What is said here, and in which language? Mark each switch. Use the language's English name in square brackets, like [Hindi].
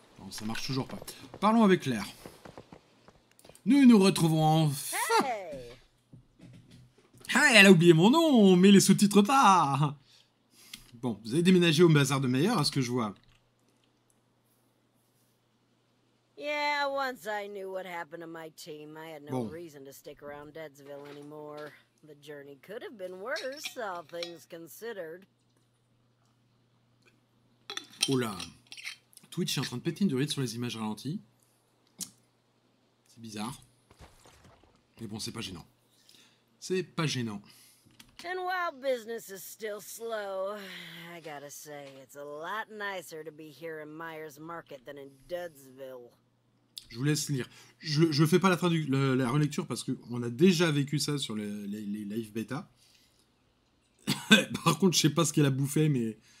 [French] Ça marche toujours pas. Parlons avec Claire. Nous nous retrouvons enfin. Hey, elle a oublié mon nom, mais les sous-titres pas. Bon, vous avez déménagé au bazar de Meyer, à ce que je vois. [English] Yeah, once I knew what happened to my team, I had no reason to stick around Deadsville anymore. The journey could have been worse, all things considered. Oula. [French] Twitch est en train de péter une durite sur les images ralenties. C'est bizarre. Mais bon, c'est pas gênant. C'est pas gênant. [English] And while business is still slow, I gotta say, it's a lot nicer to be here in Myers Market than in Dudsville. [French] Je vous laisse lire. Je fais pas la relecture parce qu'on a déjà vécu ça sur les live bêta. Par contre, je sais pas ce qu'elle a bouffé, mais